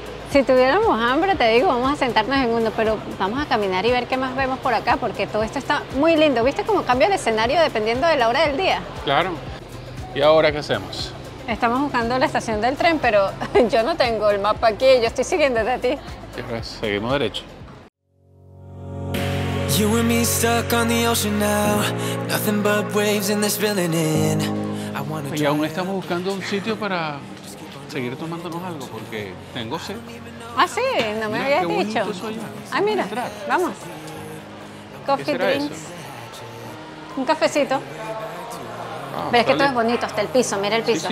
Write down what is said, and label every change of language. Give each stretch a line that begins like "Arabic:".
Spanish: Si tuviéramos hambre, te digo, vamos a sentarnos en uno, pero vamos a caminar y ver qué más vemos por acá, porque todo esto está muy lindo. ¿Viste cómo cambia el escenario dependiendo de la hora del día? Claro. ¿Y ahora qué hacemos? Estamos buscando la estación del tren, pero yo no tengo el mapa aquí, yo estoy siguiendo desde ti. Y ahora seguimos derecho.
English: You and me stuck on the ocean now. Nothing but waves in this building in.
Spanish: Y aún estamos buscando un sitio para seguir tomándonos algo porque tengo sed. Ah, sí, no me mira, habías dicho. Ah, mira, vamos.
English: Coffee drinks.
Spanish: Eso? Un cafecito. Ah, pero es que todo es bonito, hasta el piso, mira el piso.